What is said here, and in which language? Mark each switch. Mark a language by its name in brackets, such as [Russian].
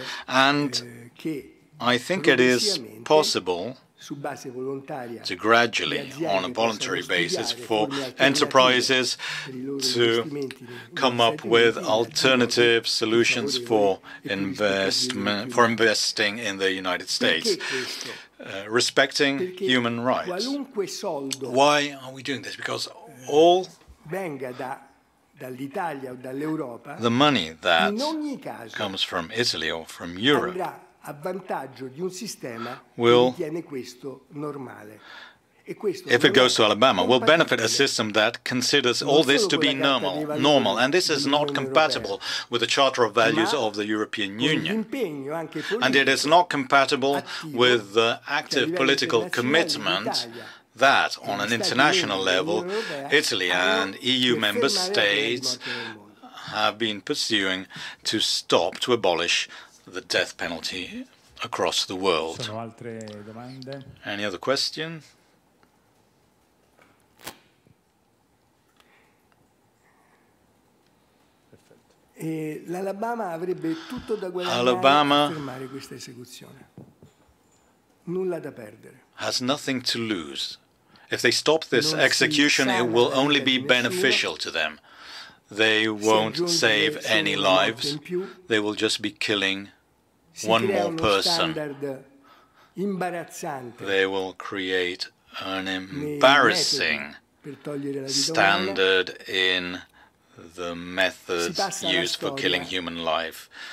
[English] And I think it is possible to gradually, on a voluntary basis, for enterprises to come up with alternative solutions for investment, for investing in the United States, respecting human rights. Why are we doing this? Because all the money that comes from Italy or from Europe [Italian] a vantaggio di un sistema che ritiene questo normale. [English] If it goes to Alabama, will benefit a system that considers all this to be normal, normal, and this is not compatible with the Charter of Values of the European Union. And it is not compatible with the active political commitment that, on an international level, Italy and EU member states have been pursuing to stop, to abolish the death penalty across the world. [Italian] Sono altre domande? [English] Any other question? [Italian] L'Alabama avrebbe tutto da guadagnare per fermare questa esecuzione. Nulla da perdere. [English] Has nothing to lose. If they stop this execution, it will only be beneficial to them. They won't save any lives. They will just be killing one more person. They will create an embarrassing standard in the methods used for killing human life.